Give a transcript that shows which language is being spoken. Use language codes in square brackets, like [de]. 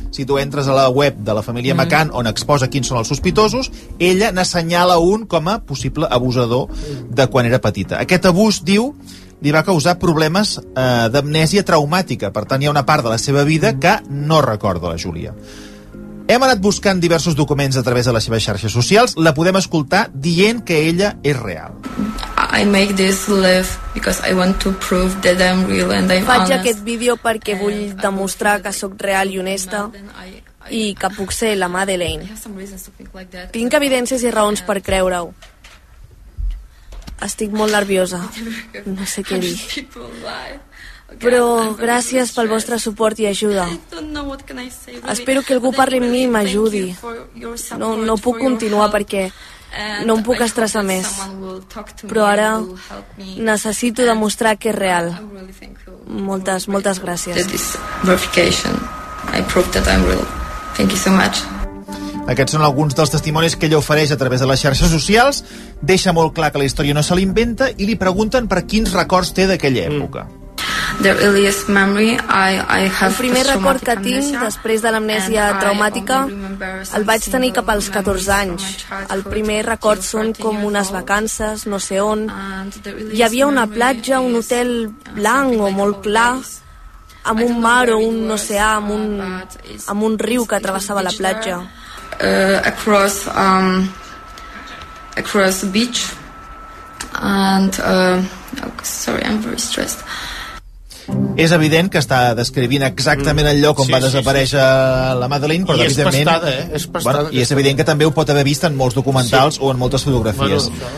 [ca] Si tu entres a la web de la família McCann, on exposa quins són els sospitosos, ella n'assenyala un com a possible abusador de quan era petita. Aquest abús, diu, li va causar problemes d'amnèsia traumàtica. Per tant, hi ha una part de la seva vida que no recorda la Júlia. Hem anat buscant diversos documents a través de les seves xarxes socials. La podem escoltar dient que ella és real. [en] I make this live because I want to prove that I'm real and I'm honest. [ca] Faig aquest vídeo perquè vull demostrar que sóc real i honesta i que puc ser la Madeleine. Tinc evidències i raons per creure-ho. Estic molt nerviosa. No sé què dir. Però gràcies pel vostre suport i ajuda. Espero que algú parli amb mi i m'ajudi. No puc continuar perquè no em puc estressar més. Però ara necessito demostrar que és real. Moltes, moltes gràcies. [en] Thank you so much. [ca] Aquests són alguns dels testimonis que ella ofereix a través de les xarxes socials. Deixa molt clar que la història no se l'inventa i li pregunten per quins records té d'aquella època. [en] The earliest memory I have. [ca] El primer record que tinc després de l'amnèsia traumàtica el vaig tenir cap als 14 anys. El primer record són com unes vacances, no sé on. Hi havia una platja, un hotel blanc o molt clar, amb un mar o un oceà, amb un riu que travessava la platja. [en] Across the beach. And sorry, I'm very stressed. [ca] És evident que està descrivint exactament el lloc on va desaparèixer la Madeleine, però és pastada, i és evident que també ho pot haver vist en molts documentals o en moltes fotografies.